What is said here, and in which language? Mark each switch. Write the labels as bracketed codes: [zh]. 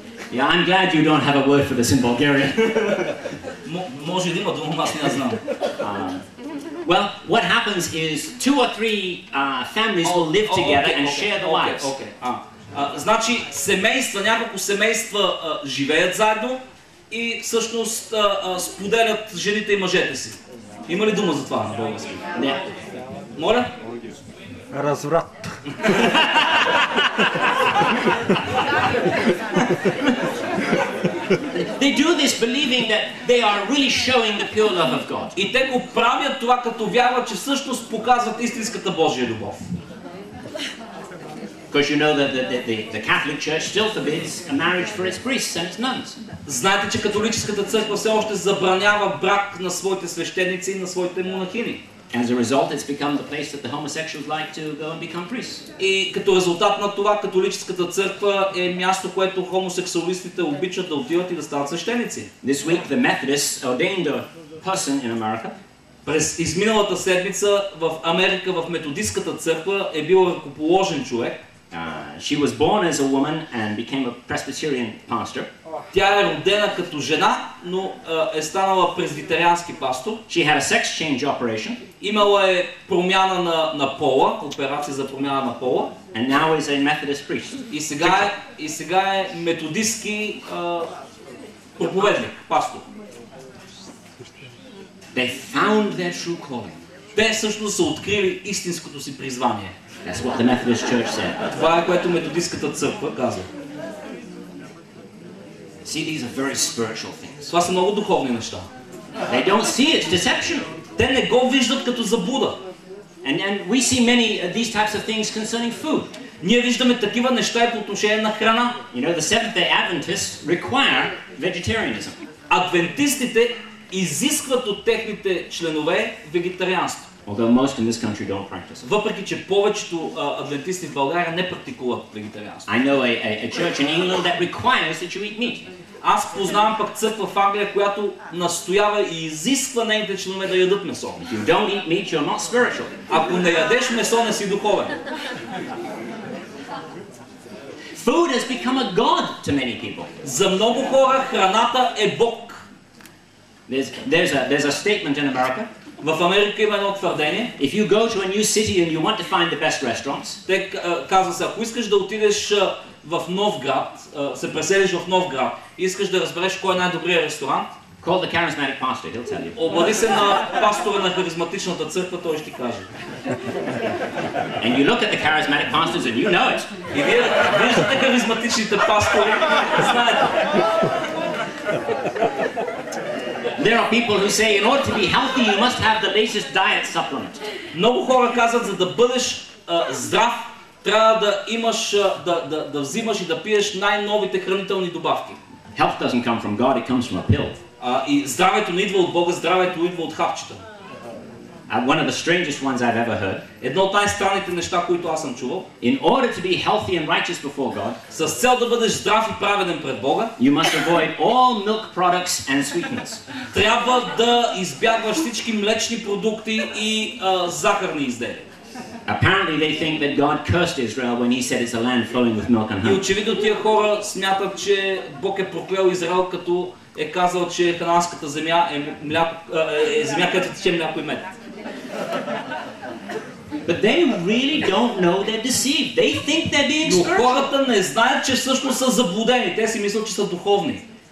[en] Yeah, I'm glad you don't have a word for this in Bulgaria. [bg] Може да има, но аз не знам. [en] Well, what happens is 2 or 3 families will live together and share the wives. [bg] Значи семейства, няколко семейства живеят заедно и всъщност споделят жените и мъжете си. Има ли дума за това на български? Не. Моля? Разврат. [en] They do this believing that they are really showing the pure love of God. [bg] И те го правят това като вярват, че всъщност показват истинската Божия любов. [en] Because you know that the Catholic Church still forbids a marriage for its priests and its nuns. [bg] Знаете, че католическата църква все още забранява брак на своите свещеници и на своите монахини. [en] As a result, it's become the place that the homosexuals like to go and become priests. [bg] И като резултат на това, католическата църква е място, което хомосексуалистите обичат да отиват и да станат свещеници. [en] This week, the Methodists ordained a person in America. [bg] През изминалата седмица в Америка в методистката църква е бил ръкоположен човек. [en] She was born as a woman and became a Presbyterian pastor. [bg] Тя е родена като жена, но е станала презвитериански пастор. [en] She had a sex change operation. [bg] Имала е промяна на пола, операция за промяна на пола. [en] And now is a Methodist priest. [bg] И сега е методистки проповедник, пастор. [en] They found their true calling. [bg] Те всъщност са открили истинското си призвание. [en] That's what the Methodist Church said. [bg] Това е което методистката църква казва. [en] See, these are very spiritual things. [bg] Това са много духовни неща. [en] They don't see it. It's deception. [bg] Те не го виждат като заблуда. [en] And we see many of these types of things concerning food. [bg] Ние виждаме такива неща и по отношение на храна. [en] You know, the Seventh-day Adventists require vegetarianism. [bg] Адвентистите изискват от техните членове вегетарианство. [en] Although most in this country don't practice. [bg] Въпреки че повечето адвентисти в България не практикуват вегетарианство. [en] I know a church in England that requires that you eat meat. [bg] Аз познавам пък църква в Англия, която настоява и изисква нейните членове да ядат месо. [en] If you don't eat meat, you're not spiritual. [bg] Ако не ядеш месо, не си духовен. [en] Food has become a god to many people. [bg] За много хора храната е бог. [en] There's a statement in America. [bg] В Америка има едно твърдение. [en] If you go to a new city and you want to find the best restaurants, [bg] казва се, ако искаш да отидеш в нов град, се преселиш в нов град, искаш да разбереш кой е най-добрият ресторант, [en] call the charismatic pastor, he'll tell you. [bg] Обади се на пастора на харизматичната църква, той ще ти каже. [en] And you look at the charismatic pastors and you know it. [bg] И вие виждате харизматичните пастори, знаете. [en] There are people who say in order to be healthy you must have the latest diet supplement. [bg] Много хора казват за да бъдеш здрав трябва да имаш да взимаш и да пиеш най-новите хранителни добавки. [en] Health doesn't come from God, it comes from a pill. [bg] И здравето не идва от Бога, здравето идва от хапчета. [en] One of the strangest ones I've ever heard. [bg] Едно от най-странните неща, които аз съм чувал. [en] In order to be healthy and righteous before God, [bg] с цел да бъдеш здрав и праведен пред Бога, [en] you must avoid all milk products and sweeteners. [bg] Трябва да избягваш всички млечни продукти и захарни изделия. [en] Apparently they think that God cursed Israel when he said it's a land flowing with milk and honey. [bg] И очевидно тия хора смятат, че Бог е проклел Израел, като е казал, че ханаанската земя е земя, където тече мляко и мед. [en] But they really don't know they're deceived. They think they're being spiritual. [bg] Но хората не знаят, че всъщност са заблудени. Те си мислят, че са духовни.